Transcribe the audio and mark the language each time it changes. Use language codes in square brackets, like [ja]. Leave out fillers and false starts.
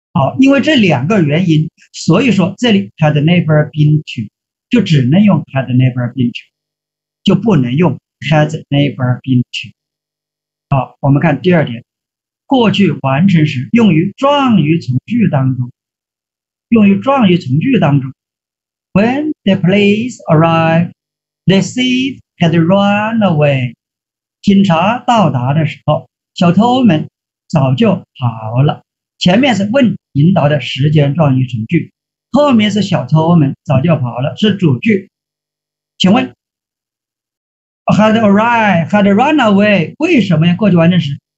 [zh] 好，因为这两个原因，所以说这里 had never been to 就只能用 had never been to，就不能用 has never been to。好，我们看第二点，过去完成时用于状语从句当中，用于状语从句当中。 [en] When the police arrived, the thief had run away。 [zh] 警察到达的时候，小偷们早就跑了。前面是 when 引导的时间状语从句，后面是小偷们早就跑了，是主句。请问 Had arrived, had run away，为什么要过去完成时？